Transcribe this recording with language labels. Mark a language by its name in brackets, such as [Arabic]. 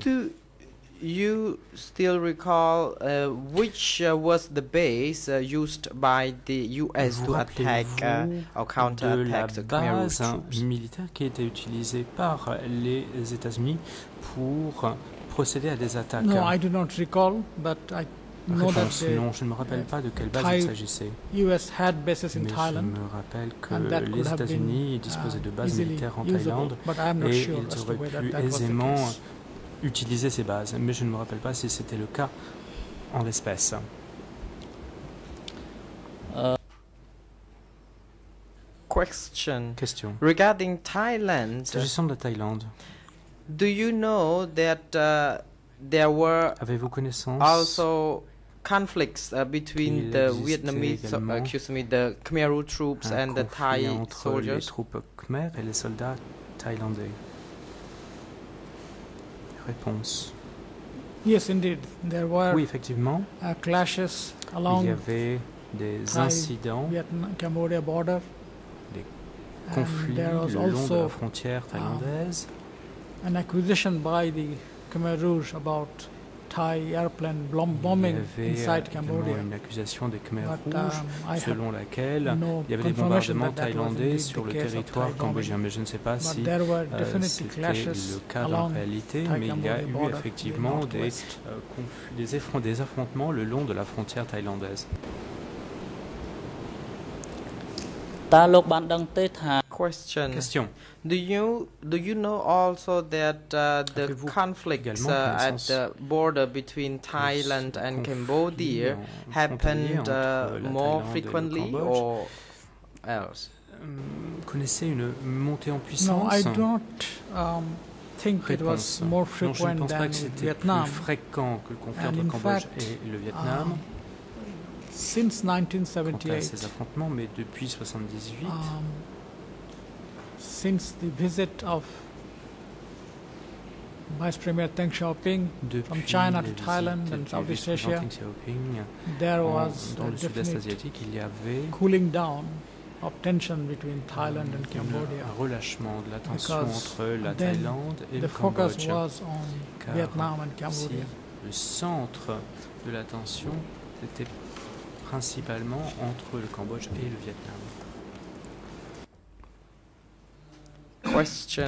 [English] Do you still recall which was the base used by the U.S. to attack or counterattack the Khmer Rouge troops? [French] La base militaire qui était utilisée par les États-Unis pour procéder à des attaques. [English] No, I do not recall, but I know that the [French] non, je ne me rappelle pas de quelle base il s'agissait. [English] US had bases in [French] mais [English] Thailand, [French] je me rappelle que les États-Unis disposaient de bases militaires en Thaïlande et ils auraient pu aisément utiliser ces bases. Mais je ne me rappelle pas si c'était le cas en l'espèce. [English] Question. Regarding Thailand, [French] s'agissant de la Thaïlande, [English] do you know that there were [French] avez-vous connaissance [English] also conflicts between the Vietnamese, the Khmer Rouge troops and the Thai soldiers. [French] Les troupes Khmer et les soldats thaïlandais. Réponse. [English] Yes, indeed, there were. [French] Oui, effectivement. [English] Clashes along. [French] Il y avait des incidents. [English] Vietnam-Cambodia border. [French] Des conflits le long de la frontière thaïlandaise. [English] An accusation by the Khmer Rouge about Thai airplane bombing inside Cambodia. [French] Une accusation des Khmer Rouges selon laquelle il y avait des bombardements thaïlandais sur le territoire cambodgien, mais je ne sais pas si c'était le cas en réalité, mais il y a eu effectivement des affrontements le long de la frontière thaïlandaise. Question. [English] Do you know also that the conflicts at the border between Thailand and Cambodia happened more frequently or else? [French] Connaissez une montée en puissance? [English] No, I don't think it was more frequent [French] non, je ne pense pas [English] than [French] que c'était [English] Vietnam. [French] Plus fréquent que le conflit entre le Cambodge et le Vietnam. [English] Since 1978, [French] quant à ces affrontements, mais depuis 78, [English] since the visit of Vice Premier Deng Xiaoping from China to Thailand and Southeast Asia, there was a definite cooling down of tension between Thailand and Cambodia. [French] Un relâchement de la tension entre la Thaïlande et [English] the focus was on Vietnam and Cambodia. [French] Le centre de la tension était principalement entre le Cambodge et le Vietnam.